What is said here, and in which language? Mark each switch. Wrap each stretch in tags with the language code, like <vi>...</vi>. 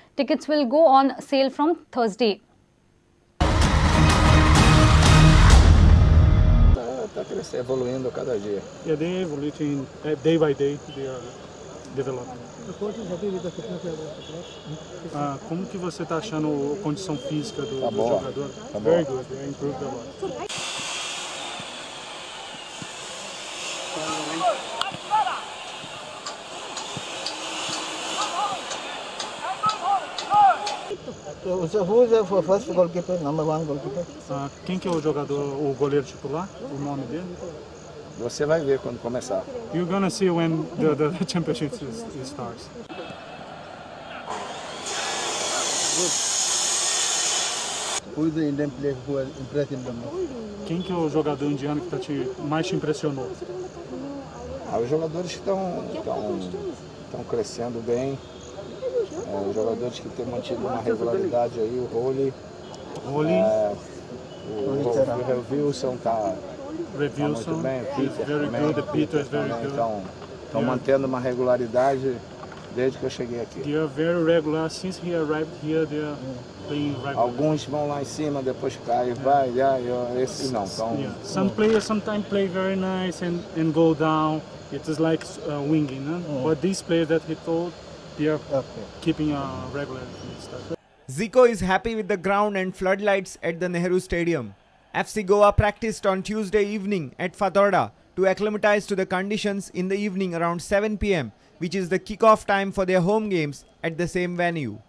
<en>Tickets will go on sale from Thursday.</en> <pt>Está evoluindo cada dia.</pt> <en>Yeah, they're evolving day by day. They are developing. The coach is happy with the fitness level.</en> <pt>Como que você está achando a condição física do, tá do jogador? Tá</pt> <en>very</en> <pt>boa.</pt> <en>Good. They improved a lot. So who is the first goalkeeper, number one goalkeeper?</en> <pt>Quem que é o jogador, o goleiro titular, o nome dele? Você vai ver quando começar.</pt> <en>You're gonna see when the championship starts. Who is the Indian player who has impressed the most?</en> <pt>Quem que é o jogador indiano que mais te impressionou? Ah, os jogadores que estão crescendo bem. Os jogadores que têm mantido uma regularidade aí, o Roli. Roli. O Revilson está muito bem, o Peter</pt> <en>is very</en> <pt>também.</pt> <en>Good.</en> <pt>Então, estão mantendo uma regularidade desde que eu cheguei aqui.</pt> <en>They are very regular since he arrived here. They are playing regular.</en> <pt>Alguns vão lá em cima, depois caem, yeah. Vai, yeah, yeah, esse não. Então, yeah.</pt> <en>Some players sometimes play very nice and go down. It is like winging, né? But these players that he told, they are keeping regular stuff. Zico is happy with the ground and floodlights at the Nehru Stadium. FC Goa practiced on Tuesday evening at Fatorda to acclimatize to the conditions in the evening around 7 p.m., which is the kickoff time for their home games at the same venue.</en>